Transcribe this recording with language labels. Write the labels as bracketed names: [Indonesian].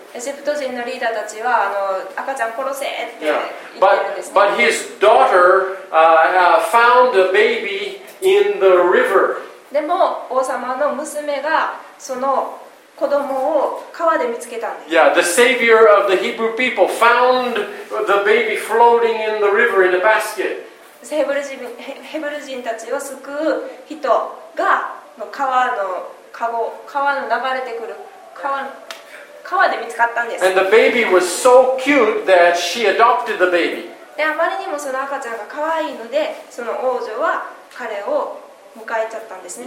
[Japanese] エジプト人のリーダーたちは赤ちゃん殺せって言ってるんですね。 [English] But his daughter found a baby in the river. [Japanese] でも王様の娘がその子供を川で見つけたんです。 [English] Yeah, the savior of the Hebrew people found the baby floating in the river in a basket. [Japanese] ヘブル人たちを救う人が川の流れてくる川の川で見つかったんです。 [English] And the baby was so cute that she adopted the baby. [Japanese] で、あまりにもその赤ちゃんが可愛いので、その王女は彼を迎えちゃったんですね。